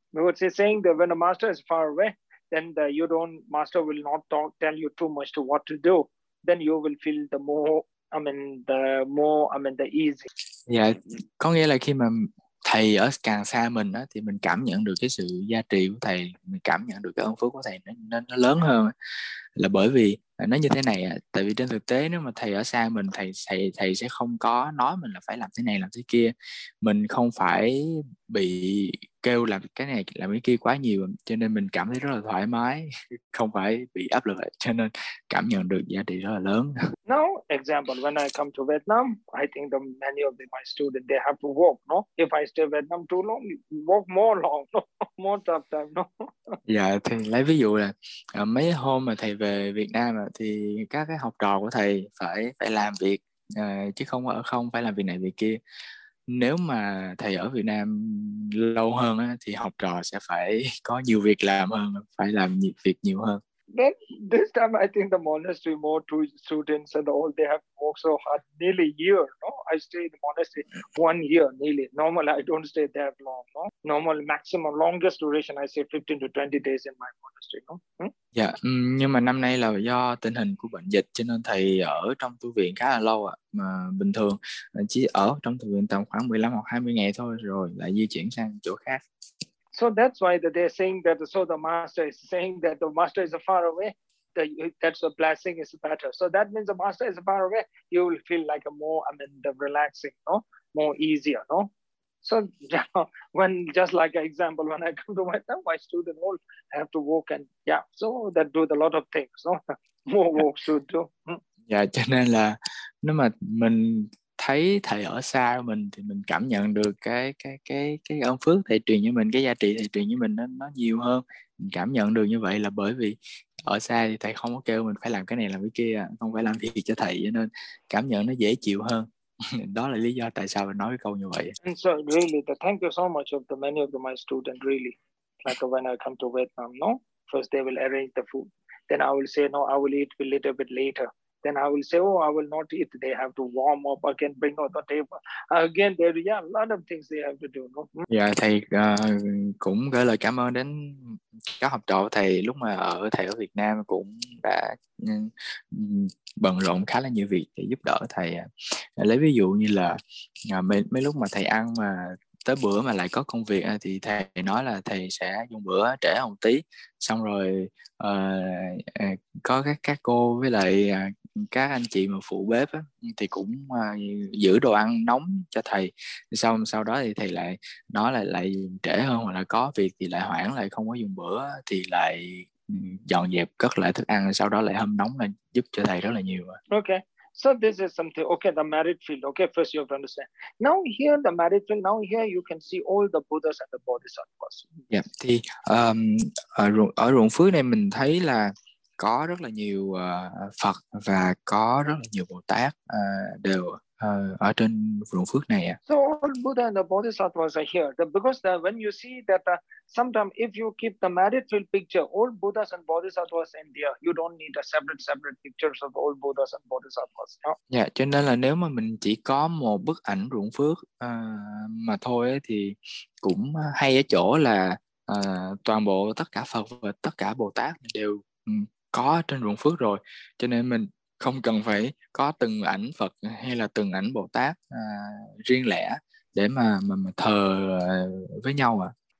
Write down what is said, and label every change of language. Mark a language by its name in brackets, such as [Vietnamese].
[English] Because he's saying that when a master is far away, then the you don't master will not talk, tell you too much to what to do. Then you will feel the more, I mean the more, I mean the easy. [Vietnamese] Dạ, có nghĩa là khi mà thầy ở càng xa mình á, thì mình cảm nhận được cái sự gia trì của thầy, mình cảm nhận được cái ơn phước của thầy nó lớn hơn, là bởi vì nó như thế này á, tại vì trên thực tế nếu mà thầy ở xa mình, thầy thầy thầy sẽ không có nói mình là phải làm thế này làm thế kia, mình không phải bị kêu làm cái này làm cái kia quá nhiều, cho nên mình cảm thấy rất là thoải mái, không phải bị áp lực, cho nên cảm nhận được giá trị rất là lớn. [English] Now, example, when I come to Vietnam, I think the many of the, my students, they have to walk, no? If I stay Vietnam too long, walk more long, no? More tough time, no? [Vietnamese] Dạ thì lấy ví dụ là mấy hôm mà thầy về Việt Nam à, thì các cái học trò của thầy phải phải làm việc chứ không ở không phải làm việc này việc kia. Nếu mà thầy ở Việt Nam lâu hơn á, thì học trò sẽ phải có nhiều việc làm hơn, phải làm nhiều việc nhiều hơn. [English] Then this time I think the monastery more to students and all they have worked so hard nearly year, no? I stay in the monastery 1 year nearly. Normally I don't stay that long, no? Normally maximum longest duration I say 15 to 20 days in my monastery, no? [Vietnamese] Dạ, nhưng mà năm nay là do tình hình của bệnh dịch cho nên thầy ở trong tu viện khá là lâu ạ. Mà bình thường chỉ ở trong tu viện tầm khoảng 15 hoặc 20 ngày thôi rồi lại di chuyển sang chỗ khác. [English] So that's why that they're saying that, so the master is saying that the master is far away, that's the blessing is better. So that means the master is far away, you will feel like a more, I mean, the relaxing, no? More easier, no? So when, just like an example, when I come to my student all have to walk and yeah, so that do a lot of things, no? More work should do. [Vietnamese] Dạ cho nên là nếu mà mình thấy thầy ở xa mình thì mình cảm nhận được cái ơn phước thầy truyền cho mình, cái giá trị thầy truyền cho mình nó nhiều hơn. Mình cảm nhận được như vậy là bởi vì ở xa thì thầy không có kêu mình phải làm cái này làm cái kia, không phải làm việc cho thầy, cho nên cảm nhận nó dễ chịu hơn. Đó là lý do tại sao mình nói cái câu như vậy. [English] And so really, the thank you so much of the many of the, my student really, like when I come to Vietnam, no, first they will arrange the food, then I will say no, I will eat a little bit later, then I will say oh I will not eat, they have to warm up again, bring out the table again, there yeah, a lot of things they have to do, no. [Vietnamese] Dạ thầy cũng gửi lời cảm ơn đến các học trò của thầy lúc mà ở thầy ở Việt Nam, cũng đã bận rộn khá là nhiều việc để giúp đỡ thầy. Lấy ví dụ như là mấy lúc mà thầy ăn mà tới bữa mà lại có công việc thì thầy nói là thầy sẽ dùng bữa trễ một tí, xong rồi có các cô với lại các anh chị mà phụ bếp á, thì cũng giữ đồ ăn nóng cho thầy. Xong sau đó thì thầy lại nói là lại trễ hơn hoặc là có việc thì lại hoãn, lại không có dùng bữa, thì lại dọn dẹp cất lại thức ăn, sau đó lại hâm nóng lên giúp cho thầy rất là nhiều. [English] Okay, so this is something, okay, the merit field, okay, first you have to understand. Now here, the merit field, now here you can see all the Buddhas and the Bodhisattvas. [Vietnamese] Yeah, thì ở ruộng phước này mình thấy là có rất là nhiều Phật và có rất là nhiều Bồ Tát đều ở trên ruộng phước này. [English] So all Buddha and the Bodhisattvas are here. Because when you see that sometimes if you keep the merit field picture, all Buddhas and Bodhisattvas in there, you don't need a separate pictures of all Buddhas and Bodhisattvas. No? [Vietnamese] Yeah, cho nên là nếu mà mình chỉ có một bức ảnh ruộng phước mà thôi ấy, thì cũng hay ở chỗ là toàn bộ tất cả Phật và tất cả Bồ Tát đều có trên ruộng phước rồi, cho nên mình không cần phải có từng ảnh Phật hay là từng ảnh Bồ Tát riêng lẻ để mà thờ với nhau à.